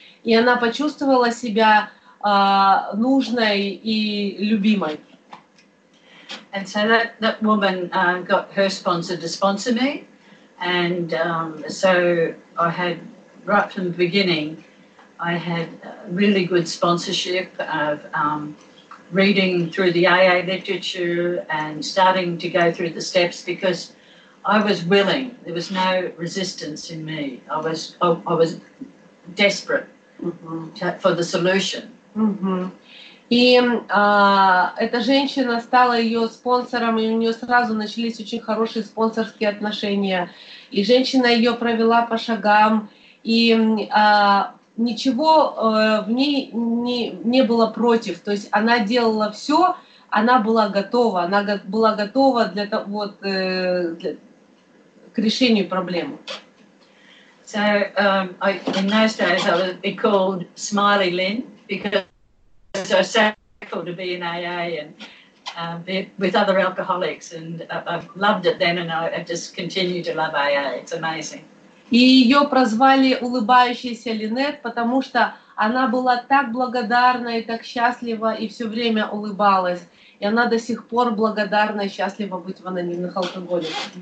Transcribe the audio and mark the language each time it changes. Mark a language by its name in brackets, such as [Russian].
[Russian] И она почувствовала себя нужной и любимой. [English] And so that woman got her sponsor to sponsor me. And so I had right from the beginning, I had really good sponsorship of reading through the AA literature and starting to go through the steps because I was willing. There was no resistance in me. I was desperate for the solution. [Russian] И эта женщина стала ее спонсором, и у нее сразу начались очень хорошие спонсорские отношения. И женщина ее провела по шагам. И ничего в ней не было против, то есть она делала все, она была готова, она была готова для того, вот, к решению проблемы. [English] So in those days I would be called Smiley Lynn because I was so grateful to be in AA and be with other alcoholics and I've loved it then and I just continue to love AA. It's amazing. [Russian] И ее прозвали улыбающаяся Линет, потому что она была так благодарна и так счастлива и все время улыбалась. И она до сих пор благодарна и счастлива быть в анонимных алкоголиках.